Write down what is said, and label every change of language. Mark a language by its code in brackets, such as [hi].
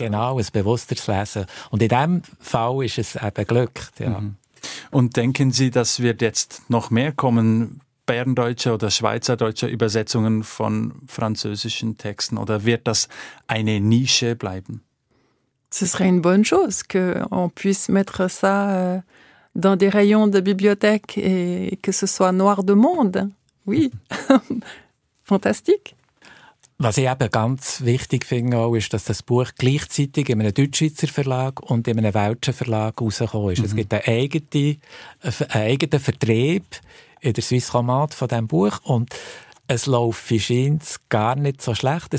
[de] Genau, ein bewussteres Lesen. Und in diesem Fall ist es eben glückt. Ja. Und denken Sie, dass wird jetzt noch mehr kommen, berndeutsche oder schweizerdeutsche Übersetzungen von französischen Texten? Oder wird das eine Nische bleiben? [fr] Ce serait une bonne chose qu'on puisse mettre ça dans des rayons de bibliothèque et que ce soit noir de monde. Oui, fantastique. [de] Was ich eben ganz wichtig finde, auch, ist, dass das Buch gleichzeitig in einem Deutschschweizer Verlag und in einem Welschen Verlag rausgekommen ist. Es gibt einen eigenen Vertrieb in der Swiss Romande von diesem Buch und es läuft scheint gar nicht so schlecht.